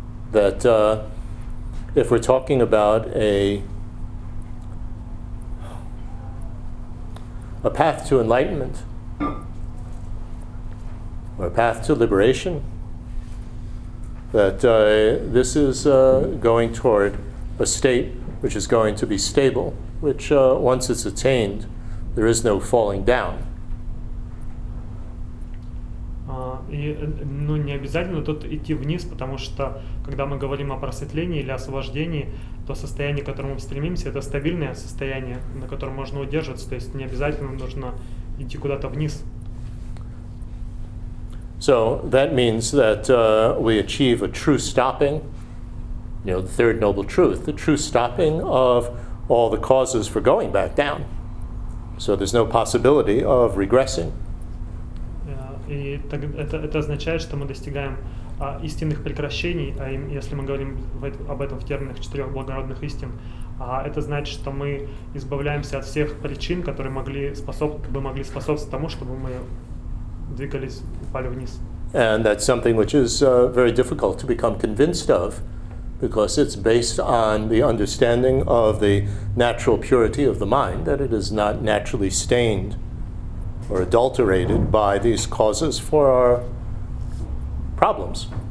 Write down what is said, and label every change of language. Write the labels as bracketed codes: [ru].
[en] That if we're talking about a path to enlightenment or a path to liberation, that this is going toward a state which is going to be stable, which once it's attained, there is no falling down. [ru] И, ну, не обязательно тут идти вниз, потому что, когда мы говорим о просветлении или освобождении, то состояние, к которому мы стремимся, это стабильное состояние, на котором можно удерживаться, то есть не обязательно нужно идти куда-то вниз. [en] So that means that we achieve a true stopping, you know, the third noble truth, the true stopping of all the causes for going back down. So there's no possibility of regressing. [ru] И это означает, что мы достигаем истинных прекращений, а если мы говорим об этом в терминах четырех благородных истин, это значит, что мы избавляемся от всех причин, которые могли способствовать тому, чтобы мы двигались, упали вниз. [en] And that's something which is very difficult to become convinced of, because it's based on the understanding of the natural purity of the mind, that it is not naturally stained or adulterated by these causes for our problems.